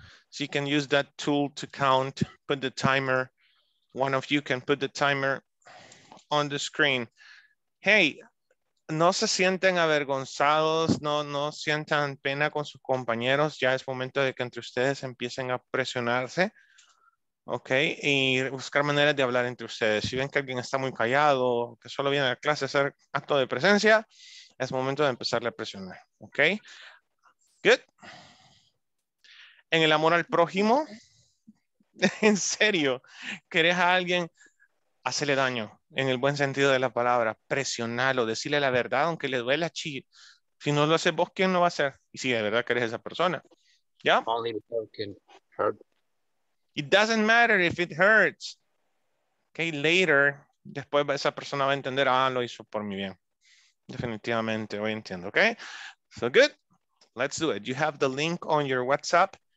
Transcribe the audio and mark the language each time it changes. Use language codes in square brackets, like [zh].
[en] So you can use that tool to count, put the timer. One of you can put the timer on the screen. [es] Hey, no se sienten avergonzados, no sientan pena con sus compañeros. Ya es momento de que entre ustedes empiecen a presionarse. Ok, y buscar maneras de hablar entre ustedes. Si ven que alguien está muy callado, que solo viene a la clase a hacer acto de presencia, es momento de empezarle a presionar. [en] Ok, good. [es] En el amor al prójimo, en serio, querés a alguien, hacerle daño, en el buen sentido de la palabra, presionarlo, decirle la verdad, aunque le duela, chile. Si no lo haces vos, ¿quién lo va a hacer? Y si de verdad querés a esa persona, ¿ya? [en] Only people can hurt. It doesn't matter if it hurts. Okay, later, [es] después esa persona va a entender, lo hizo por mi bien. Definitivamente, hoy entiendo, ¿ok? [en] So good, let's do it. You have the link on your WhatsApp.